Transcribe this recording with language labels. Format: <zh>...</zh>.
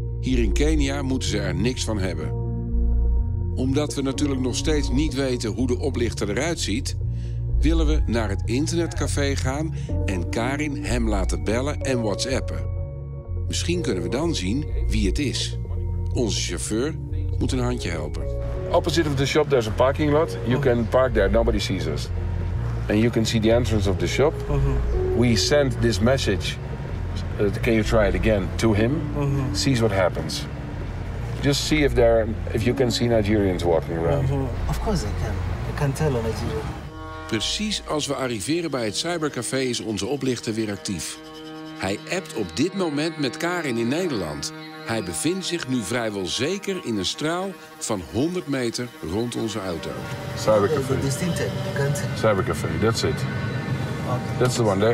<nl>Hier in Kenia moeten ze er niks van hebben. Omdat we natuurlijk nog steeds niet weten hoe de oplichter eruit ziet, willen we naar het internetcafé gaan en Karin hem laten bellen en whatsappen. Misschien kunnen we dan zien wie het is. Onze chauffeur moet een handje helpen.</nl> <en>Opposite of the shop there's a parking lot. You can park there, nobody sees us. And you can see the entrance of the shop. We send this message. Can you try it again to him? Sees what happens. Just see if there, if you can see Nigerians walking around. Of course I can. I can tell a Nigerian.</en> <nl>Precies als we arriveren bij het cybercafé is onze oplichter weer actief. Hij appt op dit moment met Karin in Nederland. Hij bevindt zich nu vrijwel zeker in een straal van 100 meter rond onze auto.</nl> <en>Cybercafé. Cybercafé, that's it. That's the one there.</en>